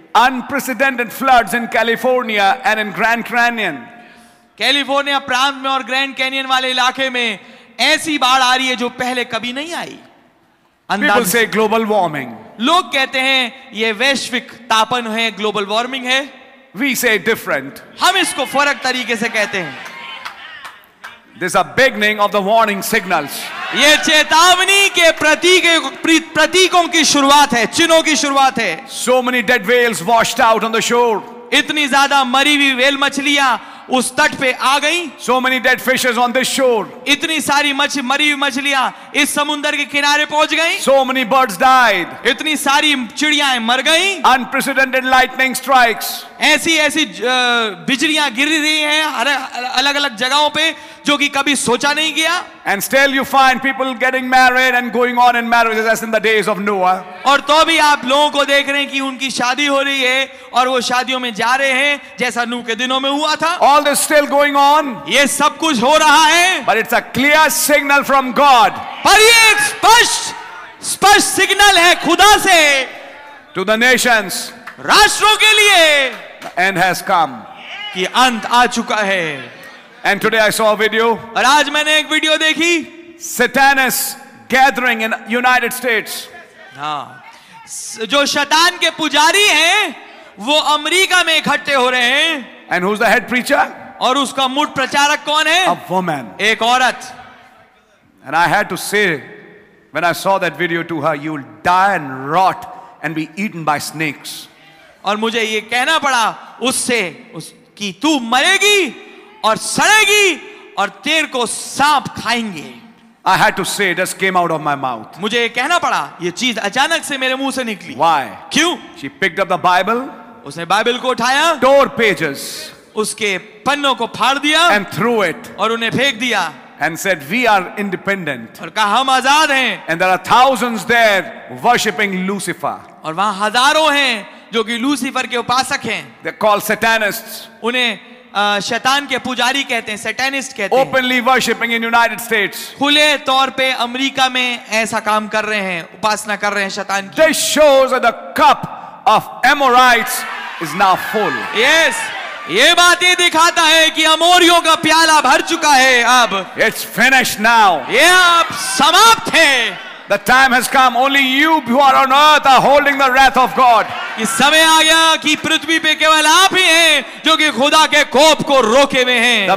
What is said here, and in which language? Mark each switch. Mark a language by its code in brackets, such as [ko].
[en] Unprecedented floods in California and in Grand Canyon. [hi] California प्रांत में और ग्रैंड कैनियन वाले इलाके में ऐसी बाढ़ आ रही है जो पहले कभी नहीं आई. [en] अंदाज़ से global warming. [hi] लोग कहते हैं ये वैश्विक तापन है, ग्लोबल वार्मिंग है. [en] We say different. [hi] हम इसको फर्क तरीके से कहते हैं. [en] This is a beginning of the warning signals. [hi] ये चेतावनी के प्रतीकों की शुरुआत है, चिन्हों की शुरुआत है. [en] So many dead whales washed out on the shore. [hi] इतनी ज्यादा मरी हुई वेल मछलियां उस तट पे आ गई. [en] So many dead fishes on this shore. [hi] इतनी सारी मरी हुई मछलियां इस समुद्र के किनारे पहुंच गई. [en] So many birds died. [hi] इतनी सारी चिड़ियां मर गई. [en] Unprecedented lightning strikes. [hi] ऐसी बिजलियां गिर रही हैं हर अलग अलग जगहों पे जो कि कभी सोचा नहीं गया. [en] And still you find people getting married and going on in marriages as in the days of Noah. [hi] और तो भी आप लोगों को देख रहे हैं कि उनकी शादी हो रही है और वो शादियों में जा रहे हैं जैसा नूह के दिनों में हुआ था. [en] All this still going on. [hi] ये सब कुछ हो रहा है. [en] But it's a clear signal from God. [hi] पर ये एक स्पष्ट सिग्नल है खुदा से. [en] To the nations. [hi] राष्ट्रों के लिए. [en] The end has come. [hi] कि अंत आ चुका है. [en] And today I saw a video. [hi] और आज मैंने एक वीडियो देखी. [en] Satanists gathering in United States. [hi] हाँ, जो शैतान के पुजारी हैं, वो अमेरिका में इकट्ठे हो रहे हैं. [en] And who's the head preacher? [hi] और उसका मुख्य प्रचारक कौन है? [en] A woman. [hi] एक औरत. [en] And I had to say, When I saw that video to her, you'll die and rot and be eaten by snakes. [hi] और मुझे ये कहना पड़ा उससे कि तू मरेगी और सड़ेगी और तेरे को सांप खाएंगे. [en] I had to say, it just came out of my mouth. [hi] मुझे ये कहना पड़ा, ये चीज़ अचानक से मेरे मुंह से निकली. [en] Why? [hi] क्यों? [en] She picked up the Bible. [hi] उसने बाइबल को उठाया. [en] Tore pages. [hi] उसके पन्नों को फाड़ दिया. [en] And threw it. [hi] और उन्हें फेंक दिया. [en] And said, "We are independent." [hi] और कहा हम आजाद हैं. [en] And there are thousands there worshiping Lucifer. [hi] और वहाँ हजारों हैं जो कि लूसीफर के उपासक हैं. [en] They're called satanists. [hi] उन्हें शैतान के पुजारी कहते हैं, सैटेनिस्ट कहते हैं. [en] Openly worshiping in United States. [hi] खुले तौर पे अमेरिका में ऐसा काम कर रहे हैं, उपासना कर रहे हैं शैतान की. [en] This shows that the cup of Amorites is now full. Yes. [hi] ये बात ये दिखाता है कि अमोरियों का प्याला भर चुका है अब. [en] It's finished now. [hi] ये अब समाप्त है. [en] The time has come. Only you who are on earth are holding the wrath of God. [hi] इस समय आ गया कि पृथ्वी पे केवल आप ही हैं जो कि खुदा के कोप को रोके हुए हैं.